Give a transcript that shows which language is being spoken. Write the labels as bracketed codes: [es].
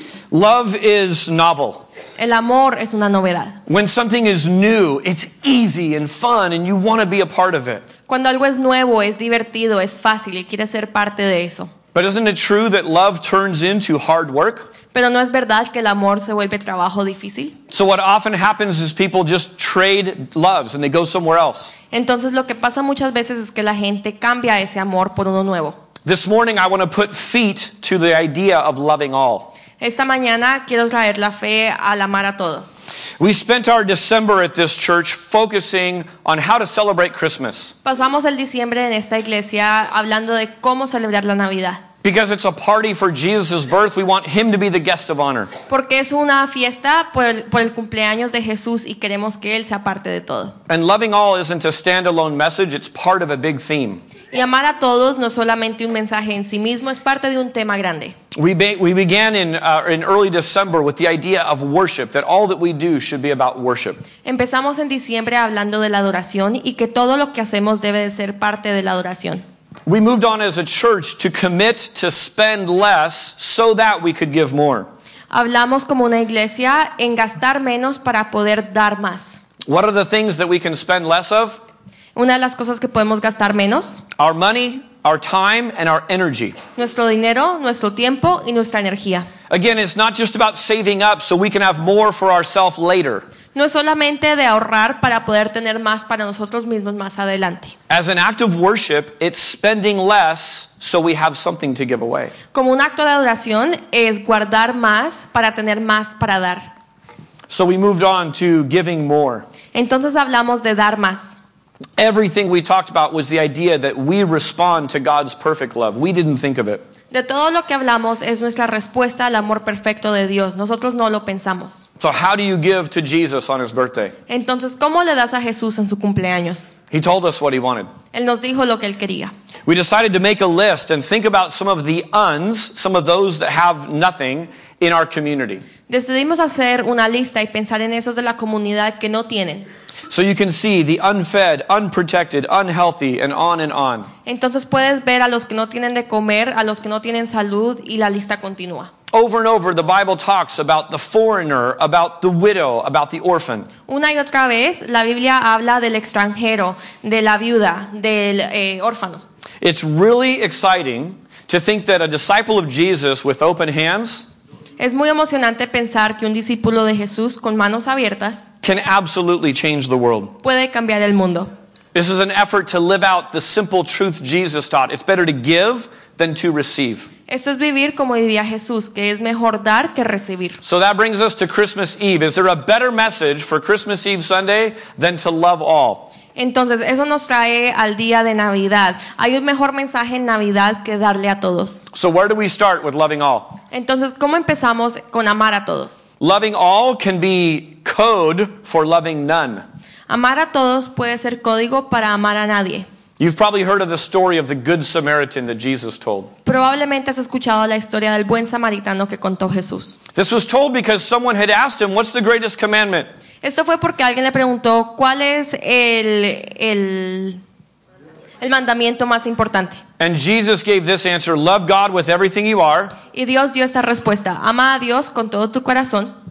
[en] Love is novel. [es] El amor es una novedad. [en] When something is new, it's easy and fun and you want to be a part of it. [es] Cuando algo es nuevo, es divertido, es fácil y quieres ser parte de eso. [en] But isn't it true that love turns into hard work? [es] Pero no es verdad que el amor se vuelve trabajo difícil. [en] So what often happens is people just trade loves and they go somewhere else. [es] Entonces lo que pasa muchas veces es que la gente cambia ese amor por uno nuevo. [en] This morning I want to put feet to the idea of loving all. [es] Esta mañana quiero traer la fe al amar a todo. [en] We spent our December at this church focusing on how to celebrate Christmas. [es] Pasamos el diciembre en esta iglesia hablando de cómo celebrar la Navidad. [en] Because it's a party for Jesus' birth, we want him to be the guest of honor. [es] Porque es una fiesta por el cumpleaños de Jesús y queremos que él sea parte de todo. [en] And loving all isn't a standalone message, it's part of a big theme. [es] Y amar a todos no es solamente un mensaje en sí mismo, es parte de un tema grande. [en] We began in early December with the idea of worship, that all that we do should be about worship. [es] Empezamos en diciembre hablando de la adoración y que todo lo que hacemos debe de ser parte de la adoración. [en] We moved on as a church to commit to spend less so that we could give more. [es] Hablamos como una iglesia en gastar menos para poder dar más. [en] What are the things that we can spend less of? [es] Una de las cosas que podemos gastar menos. [en] Our money, our time, and our energy. [es] Nuestro dinero, nuestro tiempo y nuestra energía. [en] Again, it's not just about saving up so we can have more for ourselves later. [es] No es solamente de ahorrar para poder tener más para nosotros mismos más adelante. [en] As an act of worship, it's spending less so we have something to give away. [es] Como un acto de adoración es guardar más para tener más para dar. [en] So we moved on to giving more. [es] Entonces hablamos de dar más. [en] Everything we talked about was the idea that we respond to God's perfect love. We didn't think of it. [es] De todo lo que hablamos es nuestra respuesta al amor perfecto de Dios. Nosotros no lo pensamos. [en] So how do you give to Jesus on his birthday? [es] Entonces, ¿cómo le das a Jesús en su cumpleaños? [en] He told us what he wanted. [es] Él nos dijo lo que él quería. [en] We decided to make a list and think about some of the uns, some of those that have nothing in our community. [es] Decidimos hacer una lista y pensar en esos de la comunidad que no tienen. [en] So you can see the unfed, unprotected, unhealthy, and on and on. [es] Entonces puedes ver a los que no tienen de comer, a los que no tienen salud, y la lista continúa. [en] Over and over, the Bible talks about the foreigner, about the widow, about the orphan. [es] Una y otra vez, la Biblia habla del extranjero, de la viuda, del órfano. [en] It's really exciting to think that a disciple of Jesus with open hands. [es] Es muy emocionante pensar que un discípulo de Jesús con manos abiertas [en] can absolutely change the world. [es] Puede cambiar el mundo. [en] This is an effort to live out the simple truth Jesus taught. It's better to give than to receive. [es] Esto es vivir como vivía Jesús, que es mejor dar que recibir. [en] So that brings us to Christmas Eve. Is there a better message for Christmas Eve Sunday than to love all? [es] Entonces, eso nos trae al día de Navidad. Hay un mejor mensaje en Navidad que darle a todos. [en] So where do we start with loving all? [es] Entonces, ¿cómo empezamos con amar a todos? [en] Loving all can be code for loving none. [es] Amar a todos puede ser código para amar a nadie. [en] You've probably heard of the story of the Good Samaritan that Jesus told. [es] Probablemente has escuchado la historia del buen samaritano que contó Jesús. [en] This was told because someone had asked him, "What's the greatest commandment?" [es] Esto fue porque alguien le preguntó, ¿cuál es el mandamiento más importante? [en] And Jesus gave this answer, love God with everything you are. [es] Y Dios dio esta respuesta, ama a Dios con todo tu corazón.